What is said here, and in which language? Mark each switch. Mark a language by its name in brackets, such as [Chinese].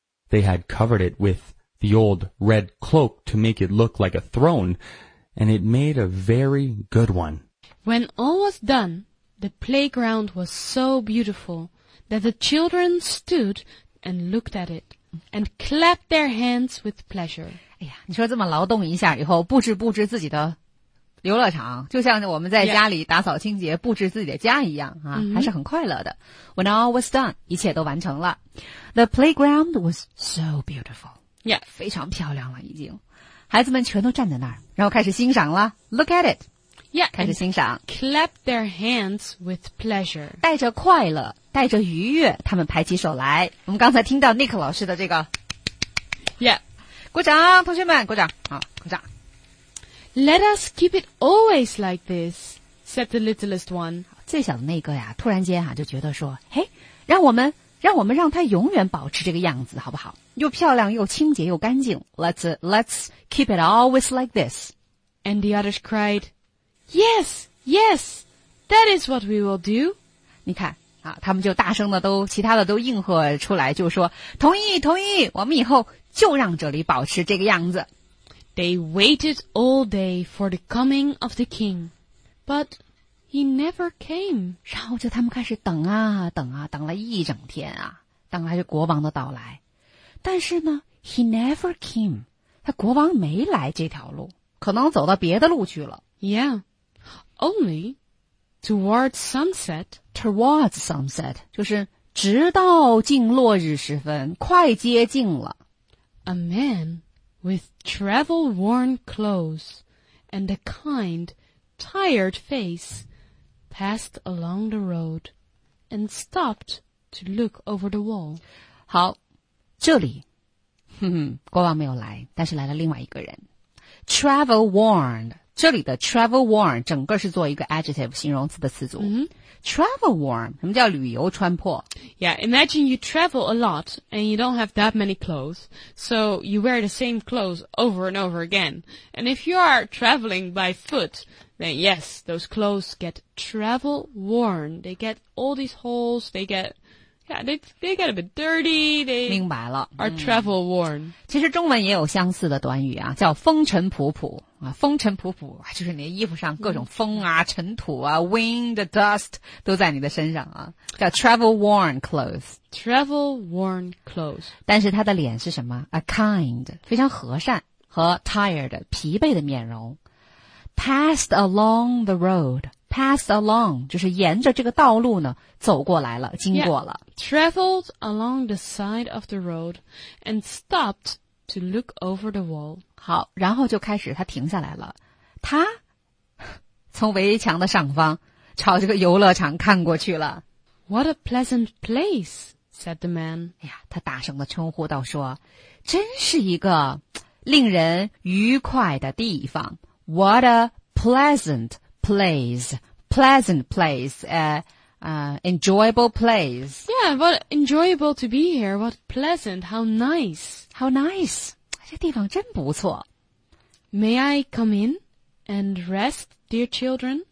[English] They had covered it with the old red cloak to make it look like a throne, and it made a very good one. When all was done, the playground was so beautiful that the children stood and looked at it and clapped their hands with pleasure. [Chinese] 哎呀，你说这么劳动一下以后，布置布置自己的游乐场，就像我们在家里打扫清洁、 [English] yeah. [Chinese] 布置自己的家一样啊，还是很快乐的。 [English] When all was done, [Chinese] 一切都完成了。 [English] The playground was so beautiful. Yeah. [Chinese] 非常漂亮了已经。孩子们全都站在那儿，然后开始欣赏了。 [English] Look at it. Yeah. [Chinese] 开始欣赏。 [English] Clap their hands with pleasure. [Chinese] 带着快乐，带着愉悦，他们拍起手来。我们刚才听到 Nick 老师的这个。 Yeah. 鼓掌，同学们，鼓掌。好，鼓掌。 [English] Let us keep it always like this, said the littlest one. [Chinese] 最小的那个呀，突然间啊，就觉得说，嘿，让我们让它永远保持这个样子，好不好？又漂亮，又清洁，又干净。 [English] Let's keep it always like this. And the others cried, Yes, yes, that is what we will do. [Chinese] 你看啊，他们就大声的都，其他的都应和出来，就说，同意，同意，我们以后就让这里保持这个样子。 [English] They waited all day for the coming of the king, but he never came. [Chinese] 然后就他们开始等啊等啊，等了一整天啊，等来国王的到来。但是呢 ， [English] he never came. [Chinese] 他国王没来这条路，可能走到别的路去了。 [English] Yeah, only towards sunset. Towards sunset [Chinese] 就是直到近落日时分，快接近了。 [English] A man. With travel-worn clothes and a kind, tired face, passed along the road and stopped to look over the wall. [Chinese] 好，这里，国王没有来，但是来了另外一个人。 [English] Travel-worn, [Chinese] 这里的 travel-worn 整个是做一个 adjective 形容词的词组。 Mm-hmm. [English] Travel-worn, [Chinese] 什么叫旅游穿破？ [English] Yeah, imagine you travel a lot and you don't have that many clothes, so you wear the same clothes over and over again. And if you are traveling by foot, then yes, those clothes get travel-worn. They get all these holes, they get a bit dirty, they [Chinese] 明白了 [English] are travel-worn. [Chinese] 其实中文也有相似的短语啊，叫风尘仆仆。啊，风尘仆仆，就是你的衣服上各种风啊、尘土啊 ， [English] wind dust [Chinese] 都在你的身上啊，叫 [English] travel worn clothes。 travel worn clothes。 [Chinese] 但是他的脸是什么 ？ [English] A kind， [Chinese] 非常和善和 tired 疲惫的面容。 [English] Passed along the road， passed along [Chinese] 就是沿着这个道路呢走过来了，经过了。 [English] Yeah. Traveled along the side of the road and stopped to look over the wall. [Chinese] 好，然后就开始他停下来了。他从围墙的上方朝这个游乐场看过去了。 [English] What a pleasant place, said the man. [Chinese] 哎呀，他大声地称呼道说，真是一个令人愉快的地方。 [English] What a pleasant place. Pleasant place, enjoyable place. Yeah, what enjoyable to be here. What pleasant, how nice. How nice. [Chinese] 这地方真不错。 [English] May I come in and rest, dear children?